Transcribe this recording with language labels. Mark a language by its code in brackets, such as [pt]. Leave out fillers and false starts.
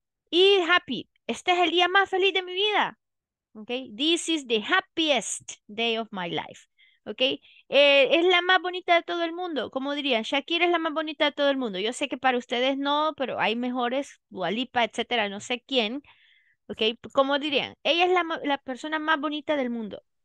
[es] Y happy, este es el día más feliz de mi vida. [en] Okay, this is the happiest day of my life. [es] Okay, es la más bonita de todo el mundo. Como dirían, Shakira es la más bonita de todo el mundo. Yo sé que para ustedes no, pero hay mejores, Dua Lipa, etcétera, no sé quién. Okay, como dirían, ella es la persona más bonita del mundo.